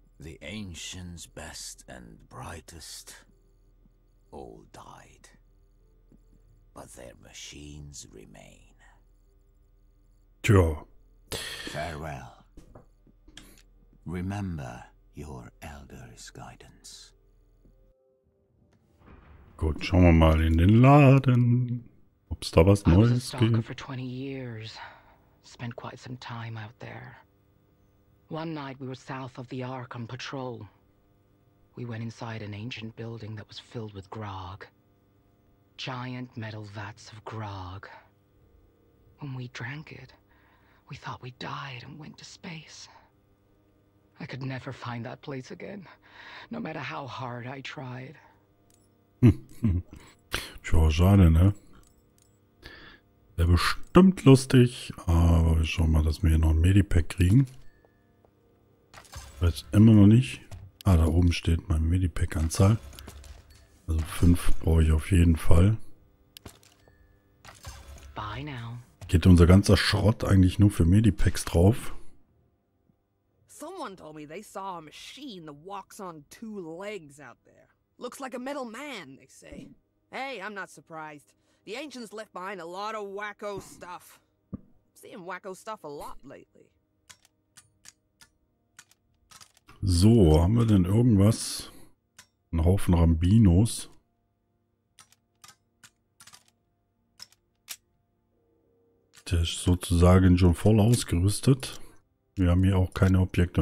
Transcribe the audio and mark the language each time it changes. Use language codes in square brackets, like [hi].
[en] The ancients' best and brightest all died. But their machines remain. Tja. Farewell. Remember your elder's guidance. [de] Gut, schauen wir mal in den Laden, ob es da was Neues gibt. [en] I was a stalker for 20 years. Spent quite some time out there. One night we were south of the Ark on patrol. We went inside an ancient building that was filled with grog. Giant metal vats of grog. When we drank it, we thought we died and went to space. I could never find that place again, no matter how hard I tried. [de] Tja, schade, ne? Wäre bestimmt lustig, aber wir schauen mal, dass wir hier noch ein Medipack kriegen. Weiß immer noch nicht. Ah, da oben steht meine Medipack-Anzahl. Also 5 brauche ich auf jeden Fall. [en] Bye now. [de] Geht unser ganzer Schrott eigentlich nur für Medipacks drauf? [en] Someone told me they saw a machine that walks on 2 legs out there. Looks like a metal man, they say. Hey, I'm not surprised. The ancients left behind a lot of wacko stuff. Seeing wacko stuff a lot lately. [de] So, haben wir denn irgendwas? Ein Haufen Rambinos. Der ist sozusagen schon voll ausgerüstet. Wir haben hier auch keine Objekte.